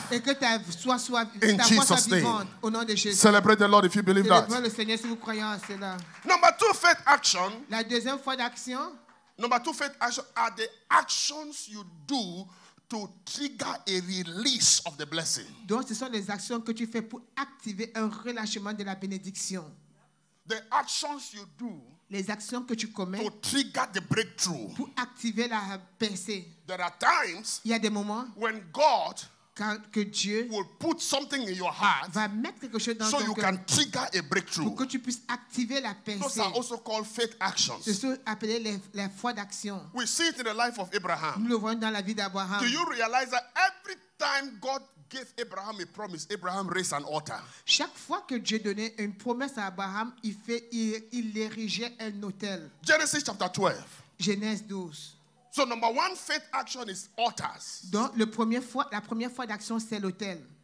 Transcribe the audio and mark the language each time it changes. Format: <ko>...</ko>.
<fr>Et que ta foi soit vivante.</fr> <en>In Jesus' name.</en> <fr>Au nom de Jésus.</fr> <en>Celebrate the Lord if you believe</en> <fr>célébrez</fr> <en>that.</en> <fr>Le Seigneur si vous croyez en cela.</fr> <en>Number two, faith action.</en> <fr>La deuxième foi d'action.</fr> <en>Number two, faith action are the actions you do to trigger a release of the blessing.</en> <fr>Donc, ce sont les actions que tu fais pour activer un relâchement de la bénédiction.</fr> <en>The actions you do.</en> <fr>Les actions que tu commets.</fr> <en>To trigger the breakthrough.</en> <fr>Pour activer la percée.</fr> <en>There are times.</en> <fr>Il y a des moments.</fr> <en>When God.</en> <fr>Quand que Dieu.</fr> <en>Will put something in your heart.</en> <fr>Va mettre quelque chose dans</fr> <en>so</en> <fr>ton cœur.</fr> <en>So you can trigger a breakthrough.</en> <fr>Pour que tu puisses activer la percée.</fr> <en>Those are also called faith actions.</en> <fr>Ce sont appelés les foi d'action.</fr> <en>We see it in the life of Abraham.</en> <fr>Nous le voyons dans la vie d'Abraham.</fr> <en>Do you realize that every time God gave Abraham a promise, Abraham raised an altar.</en> <fr>Chaque fois que Dieu donnait une promesse à Abraham, il érigeait un autel.</fr> <en>Genesis chapter 12.</en> <fr>Genèse 12.</fr> <en>So number one, faith action is altars.</en> <fr>Donc le premier foi, la première foi d'action c'est l'autel.</fr>